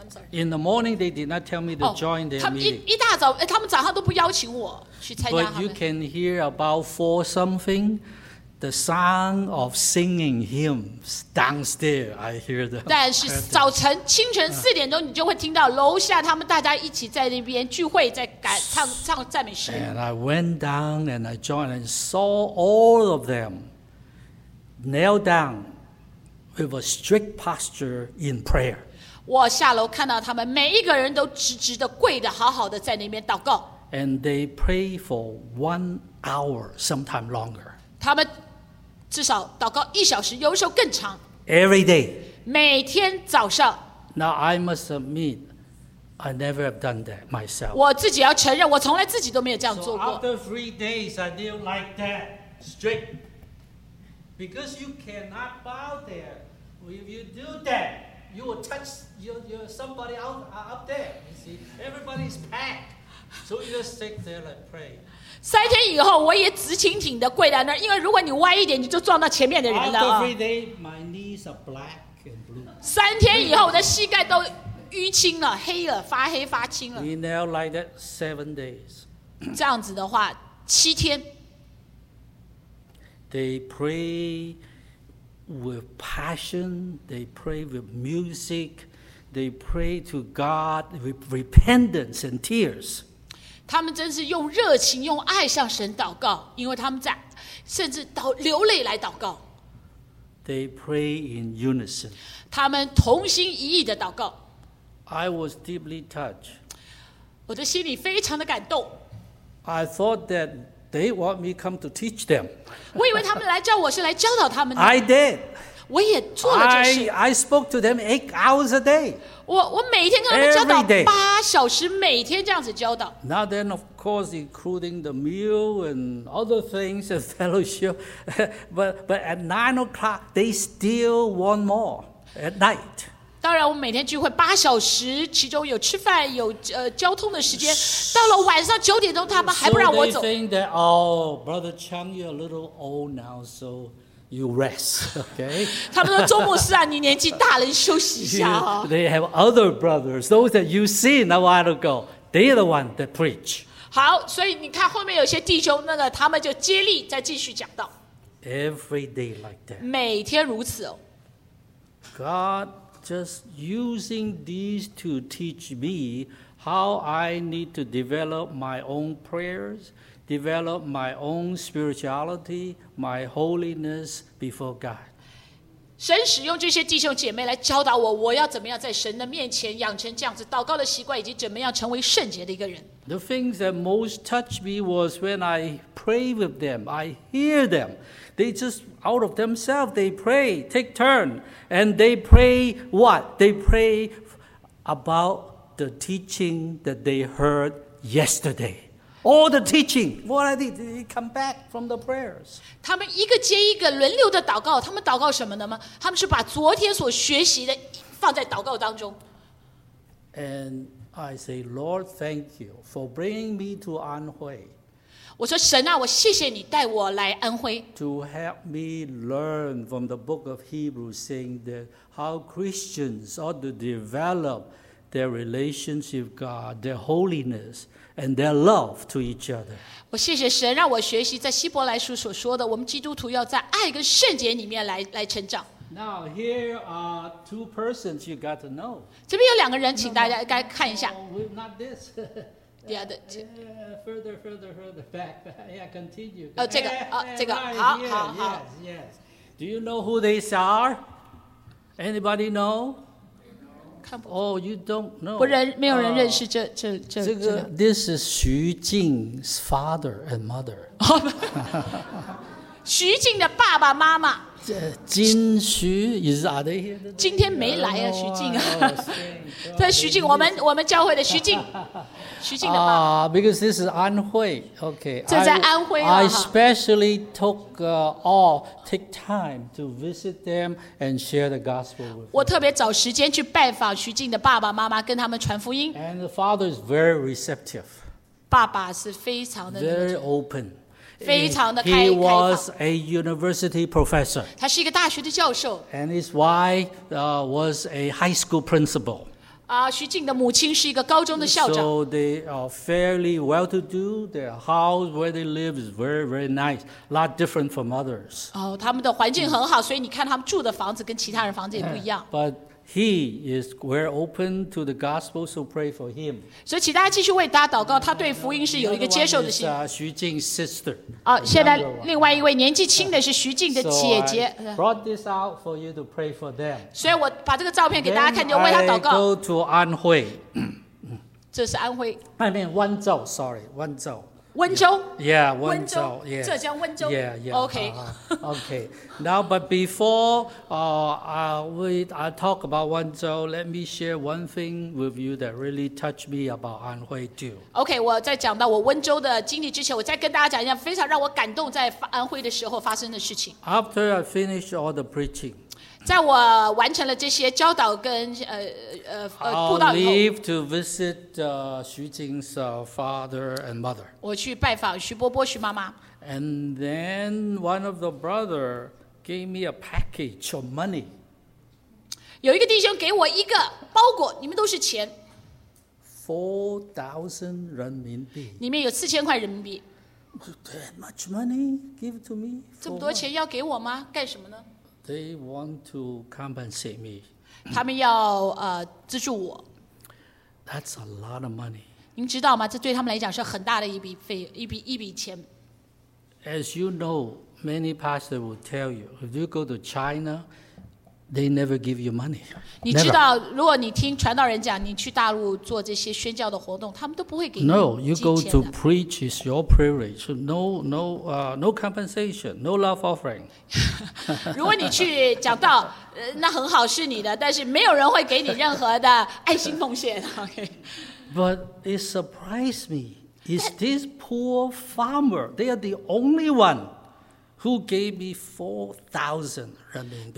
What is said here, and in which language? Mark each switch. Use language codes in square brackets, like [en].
[en] In the morning they did not tell me to join their meeting. [zh] 他们一大早，他们早上都不邀请我去参加他们。 [en] But you can hear about four something, the sound of singing hymns downstairs. I hear them. [zh] 但是早晨清晨四点钟，你就会听到楼下他们大家一起在那边聚会，在感唱赞美诗。 [en] And I went down and I joined and saw all of them kneel down with a strict posture in prayer. [zh] 我下楼看到他们每一个人都直直的跪的，好好的在那边祷告。 [en] And they pray for 1 hour, sometime longer. [zh] 他们至少祷告一小时，有时候更长。 [en] Every day， [zh] 每天早上。 [en] Now I must admit, I never have done that myself. [zh] 我自己要承认，我从来自己都没有这样做过。 [en] So after 3 days, I kneel like that, straight, because you cannot bow there. If you do that, you will touch your somebody out up there. You see, everybody's packed, so you just sit there and pray. [zh] 三天以后，我也直挺挺的跪在那儿，因为如果你歪一点，你就撞到前面的人了。 [en] After 3 days, my knees are black and blue. [zh] 三天以后，我的膝盖都淤青了，黑了，发黑发青了。 [en] We knelt like that 7 days. [zh] 这样子的话，七天。 [en] They pray with passion. They pray with music. They pray to God with repentance and tears. [zh] 他们真是用热情、用爱向神祷告，因为他们在甚至流泪来祷告。 [en] They pray in unison. [zh] 他们同心一意的祷告。 [en] I was deeply touched. [zh] 我的心里非常的感动。 [en] I thought that they want me come to teach them. [zh] 我以为他们来叫我是来教导他们的。 [en] I did. [zh] 我也做了这事。 [en] I spoke to them 8 hours a day. [zh] 我每天跟他们教导八小时，每天这样子教导。 [en] Now then, of course, including the meal and other things and fellowship, but at 9 o'clock, they still want more at night. [zh] 当然，我每天聚会八小时，其中有吃饭，有交通的时间。到了晚上9点钟，他们还不让我走。 [en] So they think that, oh, Brother Chang, you're a little old now, so. You rest, okay? [zh] 他们说周牧师啊，你年纪大了，你休息一下哈。 [en] They have other brothers, those that you see a while ago. They are the one that preach. [zh] 好，所以你看后面有些弟兄，那个他们就接力再继续讲道。 [en] Every day like that. [zh] 每天如此哦。 [en] God just using these to teach me how I need to develop my own prayers. Develop my own spirituality, my holiness before God. [zh] 神使用这些弟兄姐妹来教导我，我要怎么样在神的面前养成这样子祷告的习惯，以及怎么样成为圣洁的一个人。 [en] The things that most touched me was when I pray with them. I hear them. They just out of themselves, they pray, take turn, and they pray what? They pray about the teaching that they heard yesterday. All the teaching, what I did, they come back from the prayers. [zh] 他们一个接一个轮流的祷告，他们祷告什么呢吗？他们是把昨天所学习的放在祷告当中。 [en] And I say, Lord, thank you for bringing me to Anhui. [zh] 我说神啊，我谢谢你带我来安徽。 [en] To help me learn from the book of Hebrews, saying that how Christians ought to develop their relationship with God, their holiness. And their love to each other. [zh] 我谢谢神让我学习在希伯来书所说的，我们基督徒要在爱跟圣洁里面 来成长。 [en] Now here are two persons you got to know. [zh] 这边有两个人，请大家该看一下。 [en] Not this. The other. Further back. Yeah, continue. [zh] 这个，这个，好。 [en] Yes. Do you know who these are? Anybody know? Oh, you don't know. [zh] 没有人认识这个。 [en] This is Xu Jing's father and mother. [zh] 徐静的爸爸妈妈。 [en] 金徐 is are they here? [zh] 今天没来啊，徐静啊。对，徐静，我们教会的徐静，徐静的爸爸。 [en] Because this is 安徽 okay. [zh] 这在安徽啊。 [en] I especially took time to visit them and share the gospel with them. [zh] 我特别找时间去拜访徐静的爸爸妈妈，跟他们传福音。 [en] And the father is very receptive. [zh] 爸爸是非常的 [en] very open. [zh] 非常的开 [en] 放。He was a university professor. [zh] 他是一个大学的教授。 [en] And his wife was a high school principal. [zh] 徐静的母亲是一个高中的校长。 [en] So they are fairly well-to-do. Their house where they live is very, very nice. A lot different from others. [zh] 他们的环境很好，所以你看他们住的房子跟其他人房子也不一样。 [en] But he is very open to the gospel, so pray for him. [zh] 所以请大家继续为他祷告，他对福音是有一个接受的心。 [en] 徐静 sister. [zh] 现在另外一位年纪轻的是徐静的姐姐。 [en] So I brought this out for you to pray for them. [zh] 所以我把这个照片给大家看，就为他祷告。 [en] Then I go to 安徽。 [zh] 这是安徽。 [en] I mean, 温州, sorry, 温州。 [zh] 温州。 [en] Yeah, 温州。 [zh] 浙江温州。 [en] Yeah. Okay. Okay. Now, but before I talk about 温州, let me share one thing with you that really touched me about 安徽 too. [zh] Okay, 我在讲到我温州的经历之前，我再跟大家讲一下非常让我感动在安徽的时候发生的事情。 [en] After I finish all the preaching. [zh] 在我完成了这些教导跟布道以后 [en] I'll leave to visit Xu Jing's father and mother. [zh] 我去拜访徐伯伯徐妈妈 [en] And then one of the brother gave me a package of money. [zh] 有一个弟兄给我一个包裹，里面都是钱。 4,000人民币。里面有4,000块人民币。 [en] That much money give to me? [zh] 这么多钱要给我吗？干什么呢？ [en] They want to compensate me. [zh] 他们要资助我。 [en] That's a lot of money. [zh] 您知道吗？这对他们来讲是很大的一笔钱。 [en] As you know, many pastors will tell you, if you go to China, they never give you money. [zh] 你知道，如果你听传道人讲，你去大陆做这些宣教的活动，他们都不会给你金钱的。 [en] No, you go to preach is your privilege. So no compensation, no love offering. [zh] 如果你去讲道，那很好是你的，但是没有人会给你任何的爱心奉献。 [en] Okay. But it surprised me. Is this poor farmer? They are the only one. Who gave me 4,000 人民币？